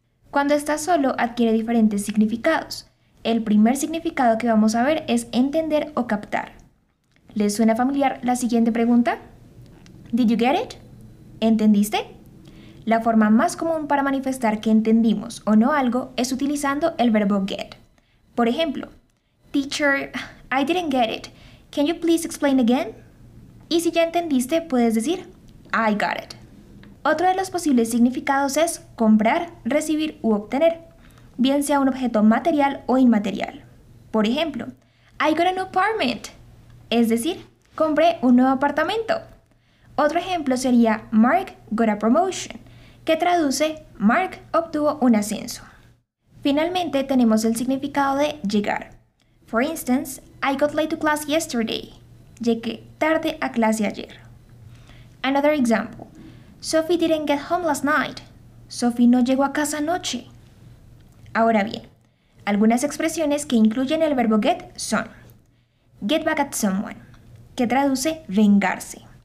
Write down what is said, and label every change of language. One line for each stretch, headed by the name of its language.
Spanish: Cuando está solo, adquiere diferentes significados. El primer significado que vamos a ver es entender o captar. ¿Les suena familiar la siguiente pregunta?
English: Did you get it?
Spanish: ¿Entendiste? La forma más común para manifestar que entendimos o no algo es utilizando el verbo get. Por ejemplo,
English: teacher, I didn't get it. Can you please explain again?
Spanish: Y si ya entendiste, puedes decir,
English: I got it.
Spanish: Otro de los posibles significados es comprar, recibir u obtener, bien sea un objeto material o inmaterial. Por ejemplo,
English: I got a new apartment.
Spanish: Es decir, compré un nuevo apartamento. Otro ejemplo sería
English: Mark got a promotion,
Spanish: que traduce Mark obtuvo un ascenso. Finalmente, tenemos el significado de llegar.
English: For instance, I got late to class yesterday.
Spanish: Llegué tarde a clase ayer.
English: Another example. Sophie didn't get home last night.
Spanish: Sophie no llegó a casa anoche. Ahora bien, algunas expresiones que incluyen el verbo get son
English: get back at someone,
Spanish: que traduce vengarse.